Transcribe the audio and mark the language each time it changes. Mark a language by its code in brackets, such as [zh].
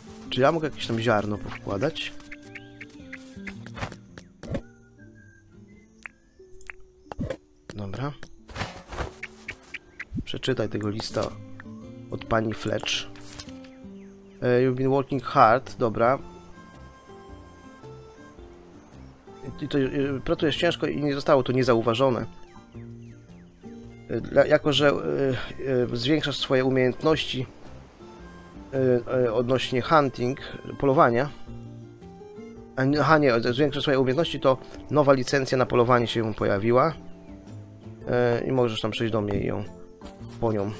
[pl] Czy ja mogę jakieś tam ziarno powkładać? Dobra. Przeczytaj tego lista od pani Fletch. [en] You've been working hard, [pl] dobra. I to, pracujesz ciężko i nie zostało to niezauważone. Jako, że zwiększasz swoje umiejętności odnośnie hunting, polowania, a nie, zwiększasz swoje umiejętności, to nowa licencja na polowanie się pojawiła i możesz tam przejść do mnie i ją po nią.